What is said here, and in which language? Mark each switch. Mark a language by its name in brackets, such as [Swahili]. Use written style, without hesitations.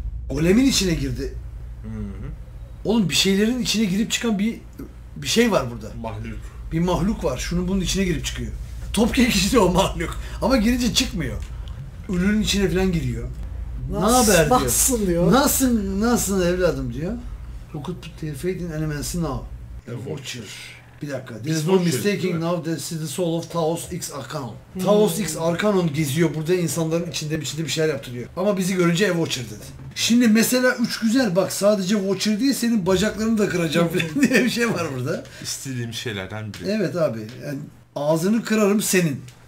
[Turkish] Golemin içine girdi. Hı-hı. Oğlum bir şeylerin içine girip çıkan bir şey var burada. Mahluk. Bir mahluk var. Şunun bunun içine girip çıkıyor. Topkek işte o mahluk. Ama girince çıkmıyor. Ürünün içine falan giriyor. Naber diyor. Nasılsın diyor. Nasılsın evladım diyor. [English] Look at the fading elements now. A watcher. [Turkish] Bir dakika. [English] There is no mistaking now this is the soul of Taos X Arcanon. [Turkish] Taos X Arcanon geziyor burada insanların içinde bir şeyler yaptırıyor. Ama bizi görünce [English] a watcher [Turkish] dedi. Şimdi mesela üç güzel bak sadece watcher değil senin bacaklarını da kıracağım falan diye bir şey var burada. İstediğim şeylerden biri. Evet abi. Yani ağzını kırarım senin.